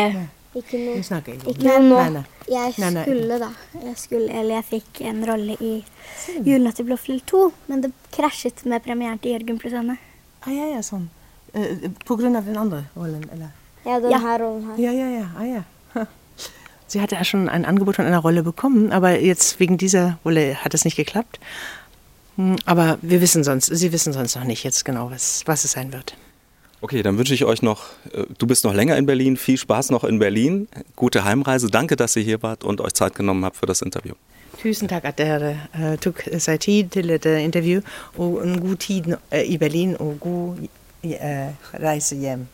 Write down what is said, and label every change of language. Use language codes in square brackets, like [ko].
[no] Nei. Jeg fikk en rolle i Julenatt i Blåfjell 2, men det krasjet med premieren til Jørgen pluss Anne. Ja, sånn. På grunn av den andre rollen, eller? Ja, den ja. Her rollen her. Ja. [de] Sie hatte ja schon ein Angebot von einer Rolle bekommen, aber jetzt wegen dieser Rolle hat es nicht geklappt. Aber wir wissen sonst, sie wissen sonst noch nicht jetzt genau, was es sein wird. Okay, dann wünsche ich euch noch, du bist noch länger in Berlin, viel Spaß noch in Berlin, gute Heimreise. Danke, dass ihr hier wart und euch Zeit genommen habt für das Interview. [no] Tusen takk at dere tok seg tid til dette intervjuet, og en god tid i Berlin, og god reise hjem.